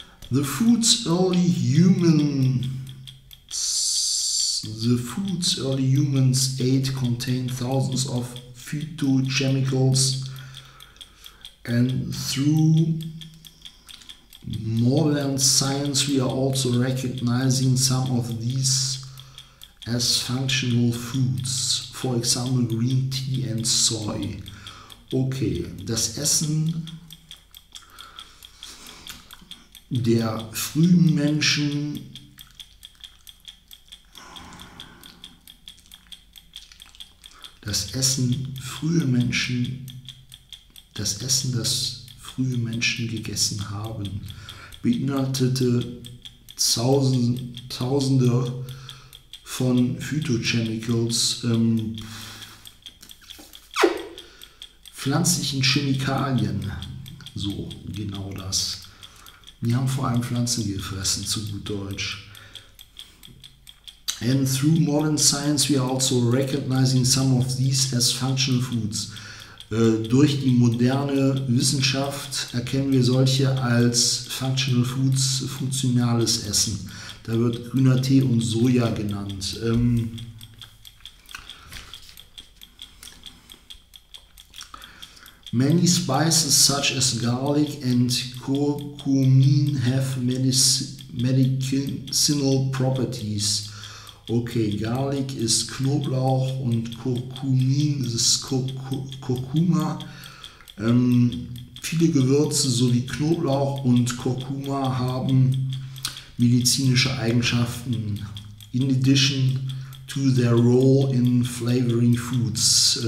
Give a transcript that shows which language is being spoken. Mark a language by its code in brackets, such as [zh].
[en] The foods early human The foods early humans ate contained thousands of phytochemicals, and through modern science we are also recognizing some of these as functional foods, for example green tea and soy. [de] Okay, das Essen der frühen Menschen das frühe Menschen gegessen haben, beinhaltete Tausende von Phytochemicals, pflanzlichen Chemikalien, so genau das. Die haben vor allem Pflanzen gefressen, zu gut Deutsch. [en] And through modern science we are also recognizing some of these as functional foods. [de] Durch die moderne Wissenschaft erkennen wir solche als functional foods, funktionales Essen. Da wird grüner Tee und Soja genannt. [en] Many spices such as garlic and curcumin have medicinal properties. [de] Okay, Garlic ist Knoblauch und Kurkumin ist Kurkuma. Viele Gewürze sowie Knoblauch und Kurkuma haben medizinische Eigenschaften [en] in addition to their role in flavoring foods.